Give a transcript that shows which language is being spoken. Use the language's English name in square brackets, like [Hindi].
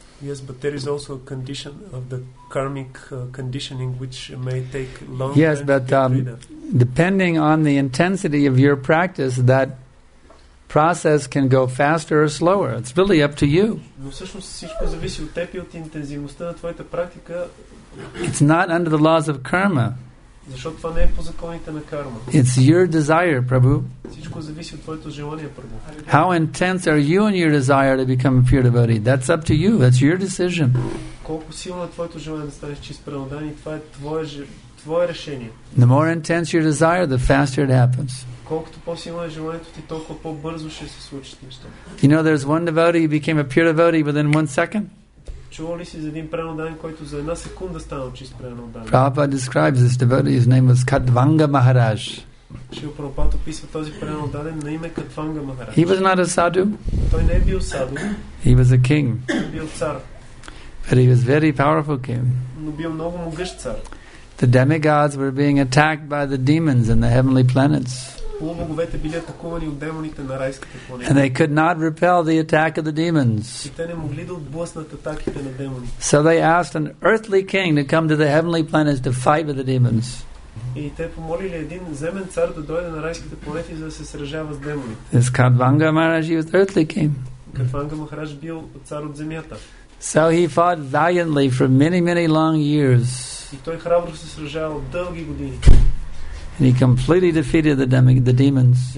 [English] Yes, but there is also a condition of the karmic conditioning which may take long time. Yes, but depending on the intensity of your practice, that process can go faster or slower. It's really up to you. [Bulgarian] Но всъщност всичко зависи от теб и от интензивността на твоята практика. [English] It's not under the laws of karma. [Bulgarian] Защото това не е по законите на карма. [English] It's your desire, Prabhu. [Bulgarian] Всичко зависи от твоето желание, Прабху. [English] How intense are you in your desire to become a pure devotee? That's up to you. That's your decision. [Bulgarian] Колко силно е твоето желание да станеш чист преданен, това е твое решение. [English] The more intense your desire, the faster it happens. [Bulgarian] Колкото по-силно е желанието ти, толкова по-бързо ще се случи нещо. [English] You know, there's one devotee who became a pure devotee within one second. [Bulgarian] Чували си за един преданен, който за една секунда станал чист преданен. [English] Prabhupada describes this devotee, his name was Katvanga Maharaj. [Bulgarian] Шрила Прабхупада описва този преданен на име Катванга Махарадж. [English] He was not a sadhu. [Bulgarian] Той не е бил саду. [English] He was a king. [Bulgarian] Бил цар. [English] But he was very powerful king. [Bulgarian] Но бил много могъщ цар. [English] The demigods were being attacked by the demons in the heavenly planets. [Bulgarian] Полубоговете били атакувани от демоните на райската планета. [English] And they could not repel the attack of the demons. [Bulgarian] И те не могли да отблъснат атаките на демоните. [English] So they asked an earthly king to come to the heavenly planets to fight with the demons. [Bulgarian] И те помолили един земен цар да дойде на райските планети, за да се сражава с демоните. [English] This Katvanga Maharaj was earthly king. [Bulgarian] Katvanga Maharaj бил цар от земята. [English] So he fought valiantly for many, many long years. [Bulgarian] И той храбро се сражава от дълги години. [English] And he completely defeated the demons.